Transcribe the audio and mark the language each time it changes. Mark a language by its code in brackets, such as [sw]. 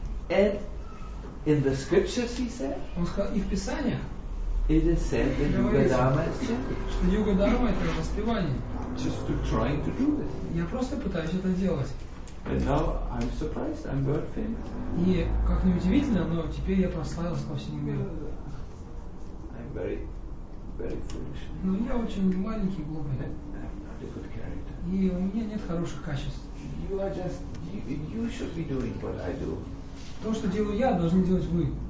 [en] And in the scriptures, he said, [ru] он сказал, и в Писаниях, [en] it is said that yoga dharma is chanting. [ru] Что йога дхарма это воспевание. [en] Just to try to do this. [ru] Я просто пытаюсь это делать. [en] And now I'm surprised, I'm world famous. [ru] И как ни удивительно, но теперь я прославился по всему миру. [en] I'm very, very foolish. [ru] Ну я очень маленький, глупый. [en] I'm not a good character. [ru] И у меня нет хороших качеств. [en] You are just, you should be doing what I do. [ru] То, что делаю я, должны делать вы.